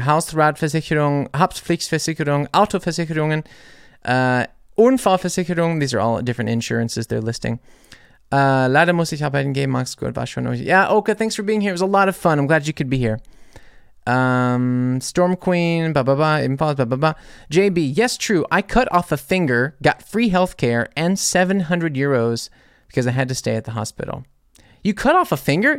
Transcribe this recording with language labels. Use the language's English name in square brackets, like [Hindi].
[German] Hausratversicherung, Haftpflichtversicherung, Autoversicherungen, Unfallversicherung. [English] These are all different insurances they're listing. [German] Leider muss ich arbeiten gehen, Max. [English] Yeah, Olka, thanks for being here. It was a lot of fun. I'm glad you could be here. Storm Queen, blah, blah, blah, impulse, blah, blah, blah. JB, yes, true. I cut off a finger, got free healthcare and 700 euros because I had to stay at the hospital. You cut off a finger?